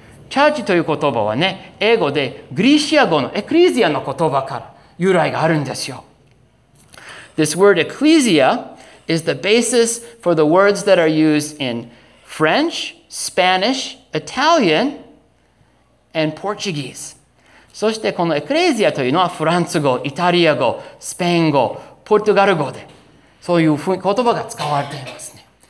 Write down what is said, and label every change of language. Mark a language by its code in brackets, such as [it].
[ja] Church という言葉はね、英語でグリシア語のエクリシアの言葉から由来があるんですよ。 [en] This word ecclesia,is the basis for the words that are used in French, Spanish, Italian, and Portuguese. [ja] そしてこのエクレジアというのはフランス語、イタリア語、スペイン語、ポルトガル語でそういう言葉が使われていますね。